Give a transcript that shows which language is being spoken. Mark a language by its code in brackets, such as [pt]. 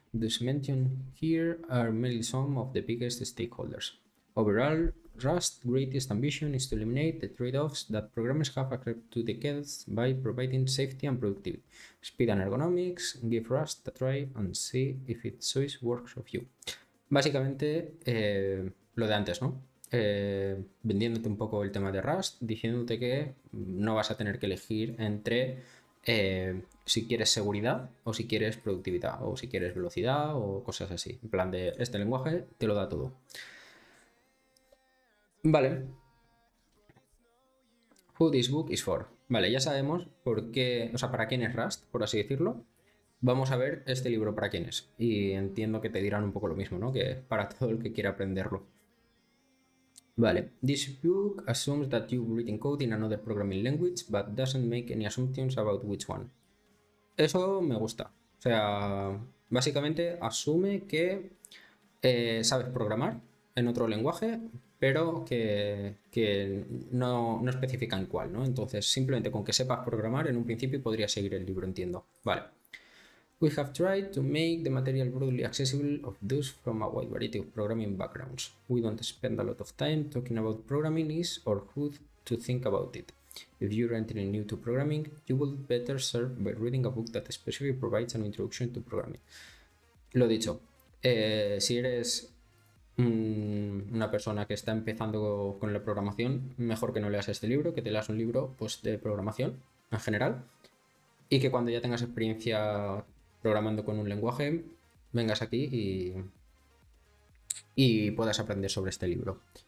[en] Those mentioned here are merely some of the biggest stakeholders. Overall, Rust's greatest ambition is to eliminate the trade-offs that programmers have accrued to decades by providing safety and productivity. Speed and ergonomics, give Rust a try and see if its choice works for you. [es] Básicamente, lo de antes, ¿no? Vendiéndote un poco el tema de Rust, diciéndote que no vas a tener que elegir entre si quieres seguridad o si quieres productividad o si quieres velocidad o cosas así. En plan de este lenguaje te lo da todo. Vale. [en] Who this book is for. [es] Vale, ya sabemos por qué, o sea, para quién es Rust, por así decirlo. Vamos a ver este libro para quién es. Y entiendo que te dirán un poco lo mismo, ¿no? Que para todo el que quiera aprenderlo. Vale. [en] This book assumes that you've written code in another programming language, but doesn't make any assumptions about which one. [es] Eso me gusta. O sea, básicamente asume que sabes programar en otro lenguaje, pero que no especifican cuál, ¿no? Entonces, simplemente con que sepas programar, en un principio podría seguir el libro, entiendo. Vale. [en] We have tried to make the material broadly accessible of those from a wide variety of programming backgrounds. We don't spend a lot of time talking about programming is or who to think about it. If you're entering new to programming, you would better serve by reading a book that specifically provides an introduction to programming. [es] Lo dicho, si eres una persona que está empezando con la programación, mejor que no leas este libro, que te leas un libro pues, de programación en general, y que cuando ya tengas experiencia programando con un lenguaje, vengas aquí y puedas aprender sobre este libro.